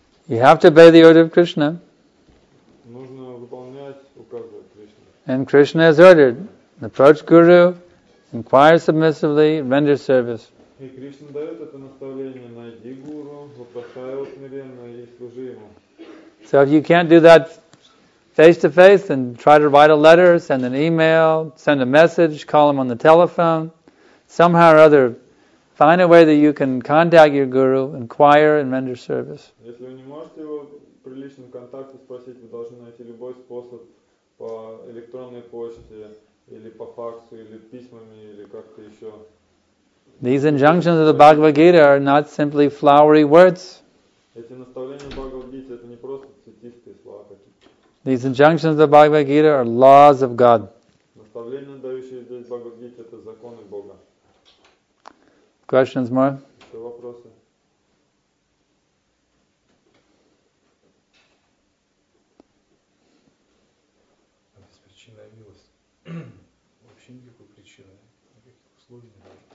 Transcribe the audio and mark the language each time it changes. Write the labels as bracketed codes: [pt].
[en] You have to obey the order of Krishna. [ru] Нужно выполнять указы Кришны. [en] And Krishna has ordered. Approach Guru, inquire submissively, render service. [ru] И Кришна дает это наставление: найди гуру, вопрошай его смиренно и служи ему. [en] So if you can't do that face to face, then try to write a letter, send an email, send a message, call him on the telephone. Somehow or other, find a way that you can contact your guru, inquire and render service. [ru] Если вы не можете его приличным контактом спросить, вы должны найти любой способ по электронной почте или по факсу или письмами или как-то еще. [en] These injunctions of the Bhagavad Gita are not simply flowery words. [ru] Эти наставления Бхагавад Гиты — это не просто цветистые слова какие-то. [en] These injunctions of the Bhagavad Gita are laws of God. [ru] Наставления, дающие здесь Бхагавад Гиты, — это законы Бога. [en] Questions more? [ru] Еще вопросы? Обеспеченная милость. Вообще никакой причины, никаких условий нет.